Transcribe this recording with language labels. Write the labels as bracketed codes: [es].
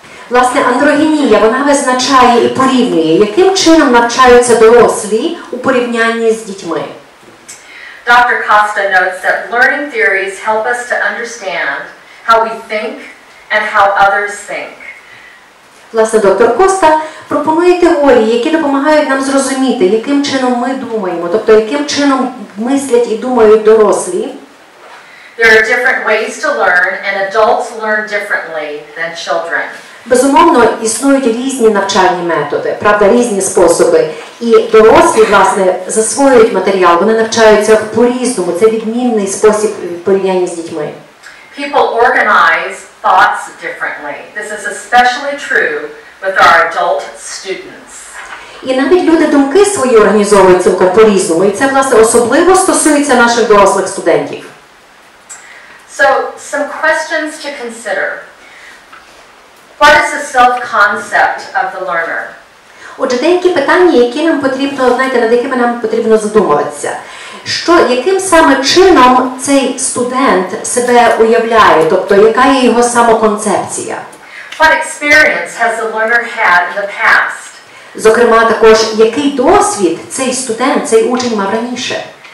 [uk] Власне, андрогенія, вона визначає і порівнює, яким чином навчаються дорослі у порівнянні з дітьми. [en] Dr. Costa notes that learning theories help us to understand how we think and how others think. [uk] Власне, доктор Коста пропонує теорії, які допомагають нам зрозуміти, яким чином ми думаємо, тобто яким чином мислять і думають дорослі. [en] There are different ways to learn, and adults learn differently than children. [uk] Безумовно, існують різні навчальні методи, правда, різні способи. І дорослі, власне, засвоюють матеріал, вони навчаються по-різному. Це відмінний спосіб порівняння з дітьми. [en] People organize thoughts differently. This is especially true with our adult students. [uk] І навіть люди думки свої організовують цілком по-різному. І це, власне, особливо стосується наших дорослих студентів. [en] So, some questions to consider. What is the self-concept of the learner? [uk] Отже, деякі питання, які нам потрібно, знаєте, над якими нам потрібно задумуватися. Що, яким саме чином цей студент себе уявляє, тобто яка є його самоконцепція? [en] What experience has the learner had in the past? [uk] Зокрема, також, який досвід цей студент, цей учень мав раніше?